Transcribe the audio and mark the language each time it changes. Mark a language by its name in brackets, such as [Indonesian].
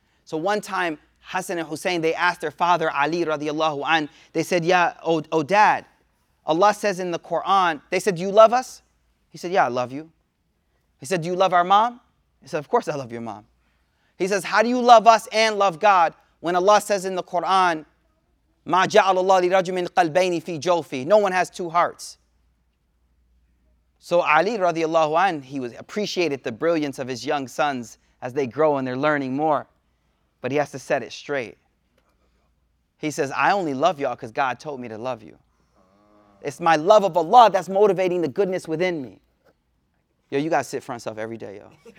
[English] So one time, Hassan and Hussein, they asked their father, Ali radiallahu anh, they said, yeah, oh dad, Allah says in the Quran, they said, do you love us? He said, yeah, I love you. He said, do you love our mom? He said, of course I love your mom. He says, how do you love us and love God? When Allah says in the Quran, [Arabic] مَا جَعَلَ اللَّهِ لِرَجُّ مِنْ قَلْبَيْنِ فِي جَوْفِي. [English] No one has two hearts. So Ali radiallahu anh, he was appreciated the brilliance of his young sons as they grow and they're learning more. But he has to set it straight. He says, I only love y'all because God told me to love you. It's my love of Allah that's motivating the goodness within me. Yo, you got to sit front self every day, yo.